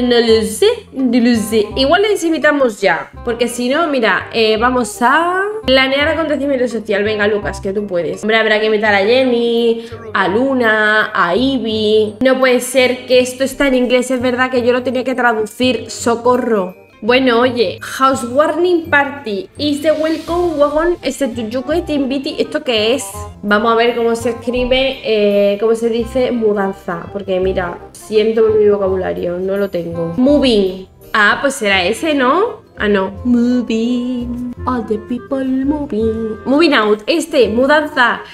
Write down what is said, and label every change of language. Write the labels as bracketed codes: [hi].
[es] No lo sé, no lo sé. Igual les invitamos ya, porque si no, mira, vamos a planear acontecimiento social. Venga, Lucas, que tú puedes. Hombre, habrá que invitar a Jenny, a Luna, a Ivy. No puede ser que esto está en inglés, es verdad que yo lo tenía que traducir. Socorro. [en] Bueno, oye, Housewarming Party is the welcome wagon set to you get invited. [es] ¿Esto qué es? Vamos a ver cómo se escribe, cómo se dice mudanza. Porque mira, siento mi vocabulario, no lo tengo. Moving. Ah, pues será ese, ¿no? Ah, no. Moving. [en] All the people moving. Moving out. Este, mudanza.